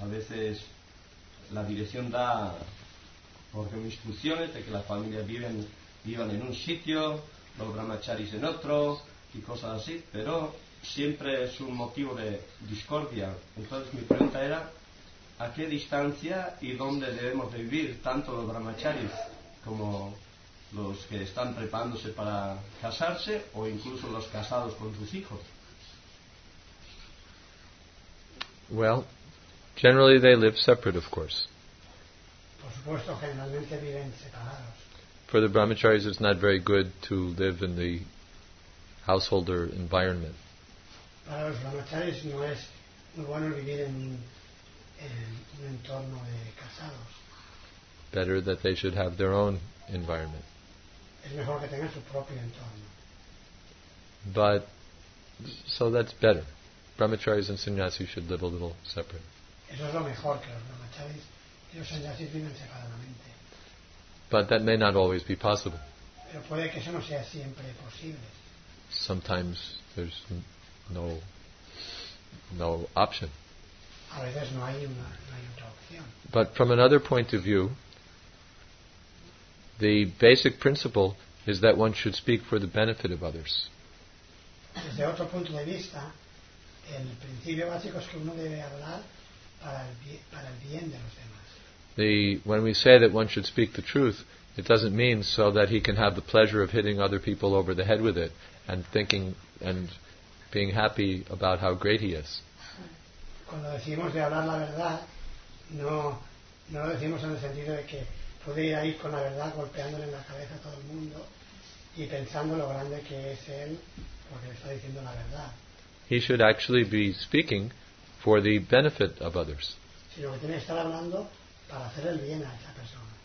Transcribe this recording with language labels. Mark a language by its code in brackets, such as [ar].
[es] A veces la dirección da, por ejemplo, instrucciones de que las familias vivan en un sitio, los brahmacharis en otro y cosas así, pero siempre es un motivo de discordia. Entonces mi pregunta era, ¿a qué distancia y dónde debemos de vivir tanto los brahmacharis como los que están preparándose para casarse o incluso los casados con sus hijos? [en] Well, generally they live separate, of course. [es] Por supuesto, generalmente viven separados. [en] For the brahmacharis, it's not very good to live in the householder environment. [es] Para los brahmacharis no es muy bueno vivir en un entorno de casados. [en] Better that they should have their own environment. [es] Es mejor que tengan su propio entorno. [en] But, so that's better. Brahmacharis and sannyasis should live a little separate. [es] Eso es lo mejor, que los brahmacharis y los sannyasis viven separadamente. [en] But that may not always be possible. [es] Pero puede que eso no sea siempre posible. [en] Sometimes there's no option. [es] A veces no hay otra opción. [en] But from another point of view, the basic principle is that one should speak for the benefit of others. [es] Desde otro punto de vista, el principio básico es que uno debe hablar para el bien de los demás. [en] When we say that one should speak the truth, it doesn't mean so that he can have the pleasure of hitting other people over the head with it and thinking and being happy about how great he is. [es] Cuando decimos de hablar la verdad, no lo decimos en el sentido de que puede ir ahí con la verdad golpeándole en la cabeza a todo el mundo y pensando lo grande que es él porque le está diciendo la verdad. [en] He should actually be speaking for the benefit of others. [es] Sino que tiene que estar hablando para hacer el bien a esa persona.